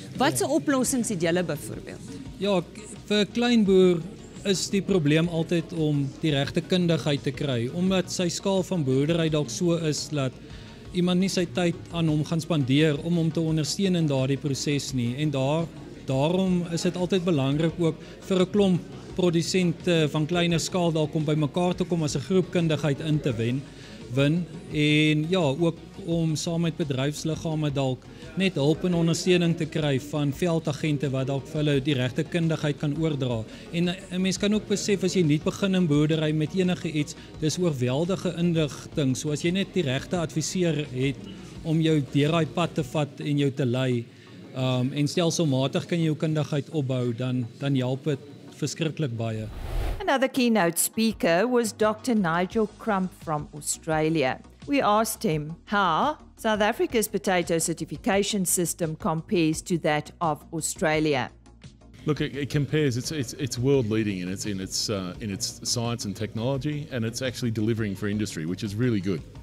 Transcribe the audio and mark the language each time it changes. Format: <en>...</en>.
<af>Wat se oplossings het julle byvoorbeeld? Ja, vir 'n klein boer is die probleem altyd om die regte kundigheid te kry, omdat sy skaal van boerdery dalk so is dat iemand nie sy tyd aan hom gaan spandeer om hom te ondersteun in daardie proses nie. En daarom is dit altyd belangrik ook vir 'n klomp produsente van kleiner skaal dalk om by mekaar te kom as 'n groep kundigheid in te win en ja, ook om saam met bedryfsliggame dalk net hulp en ondersteuning te kry van veldagente wat dalk vir hulle die regte kundigheid kan oordra. En 'n mens kan ook besef as jy nie begin in boerdery met enige iets, dis oorweldige inligting. So as jy net die regte adviseur het om jou deur daai pad te vat en jou te lei, en stelselmatig kan jy jou kundigheid opbou, dan help dit verskriklik baie.</af> <en>Another keynote speaker was Dr. Nigel Crump from Australia. We asked him how South Africa's potato certification system compares to that of Australia. Look, it compares. It's world leading in its science and technology, and it's actually delivering for industry, which is really good.</en>